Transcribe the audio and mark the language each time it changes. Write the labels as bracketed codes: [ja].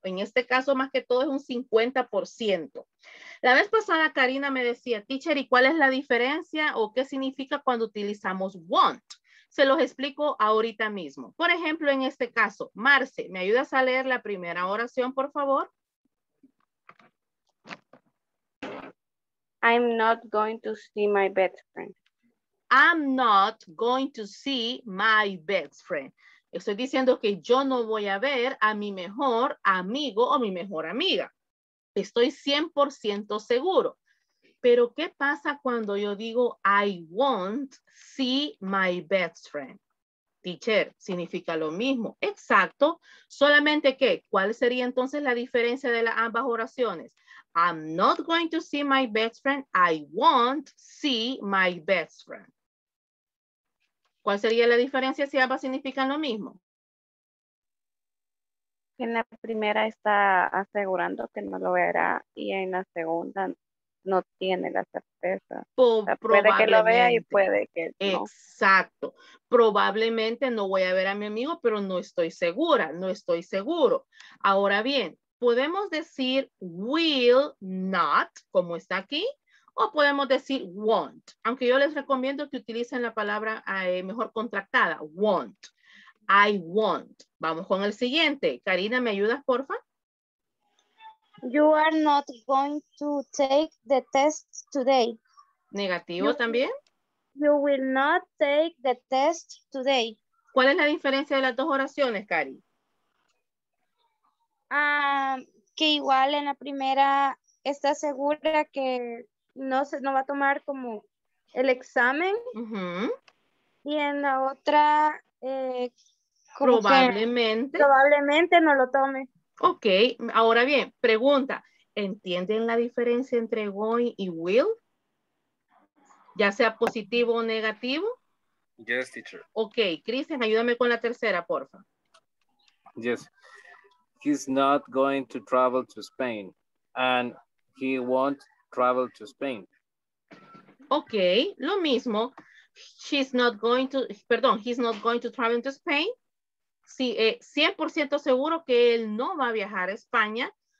[es] En este caso, más que todo, es un 50%. La vez pasada, Karina me decía, teacher, ¿y cuál es la diferencia o qué significa cuando utilizamos want? Se los explico ahorita mismo. Por ejemplo, en este caso, Marce, ¿me ayudas a leer la primera oración, por favor? [en] I'm not going to see my best friend. I'm not going to see my best friend. [es] Estoy diciendo que yo no voy a ver a mi mejor amigo o mi mejor amiga. Estoy 100% seguro. Pero, ¿qué pasa cuando yo digo, [en] I won't see my best friend? [es] Teacher, significa lo mismo. Exacto. Solamente que, ¿cuál sería entonces la diferencia de las ambas oraciones? [en] I'm not going to see my best friend. I won't see my best friend. [es] ¿Cuál sería la diferencia si ambas significan lo mismo? En la primera está asegurando que no lo verá y en la segunda no tiene la certeza. Puede que lo vea y puede que no. Exacto. Probablemente no voy a ver a mi amigo, pero no estoy segura. No estoy seguro. Ahora bien, podemos decir will not, como está aquí, o podemos decir won't. Aunque yo les recomiendo que utilicen la palabra mejor contractada, won't. [en] I won't. [es] Vamos con el siguiente. Karina, ¿me ayudas, porfa? [en] You are not going to take the test today. [es] ¿Negativo you, también? [en] You will not take the test today. [es] ¿Cuál es la diferencia de las dos oraciones, Cari? Que igual en la primera está segura que no va a tomar como el examen. Uh-huh. Y en la otra, probablemente no lo tome. Ok, ahora bien, pregunta, ¿entienden la diferencia entre going y will? Ya sea positivo o negativo. [en] Yes, teacher. [es] Ok, Cristian, ayúdame con la tercera, porfa. [en] Yes, he's not going to travel to Spain and he won't travel to Spain. [es] Ok, lo mismo, [en] he's not going to travel to Spain. [es] Sí, 100% seguro que él no va a viajar a España.